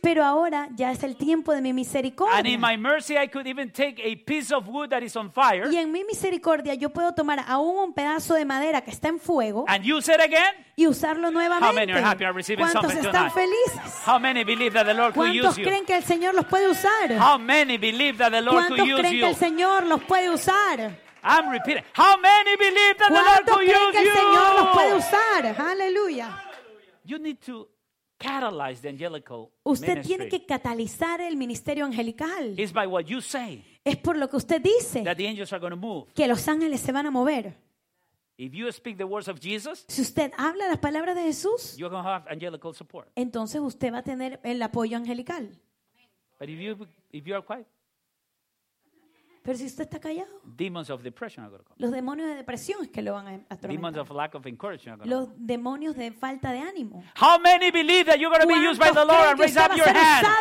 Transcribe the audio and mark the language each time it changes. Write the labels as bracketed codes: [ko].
[es] Pero ahora ya es el tiempo de mi misericordia. [en] And in my mercy, I could even take a piece of wood that is on fire. [es] Y en mi misericordia, yo puedo tomar aún un pedazo de madera que está en fuego. [en] And use it again. [es] Y usarlo nuevamente. [en] How many are happy are receiving [es] ¿cuántos [en] something [es] están Felices? [en] How many believe that the Lord could use you? [es] ¿Cuántos creen que el Señor los puede usar? [en] How many believe that the Lord could use you? [es] ¿Creen que el Señor los puede usar? [en] I'm repeating. How many believe that the Lord could use you? [es] ¿Cuántos creen que el Señor los puede usar? Aleluya. [en] You need to catalyze the angelical ministry. [es] Usted tiene que catalizar el ministerio angelical. [en] It's by what you say. [es] Es por lo que usted dice. [en] That the angels are going to move. [es] Que los ángeles se van a mover. [en] If you speak the words of Jesus, [es] si usted habla las palabras de Jesús, [en] you're going to have angelical support. [es] Entonces usted va a tener el apoyo angelical. [en] But if you are quiet, [es] pero si usted está callado, [en] demons of depression are going to come. [es] Los demonios de depresión es que lo van a atormentar. [en] Demons of lack of encouragement are going to come. [es] Los demonios de falta de ánimo. [en] How many believe that you're going to be used by the Lord and raise up your hand?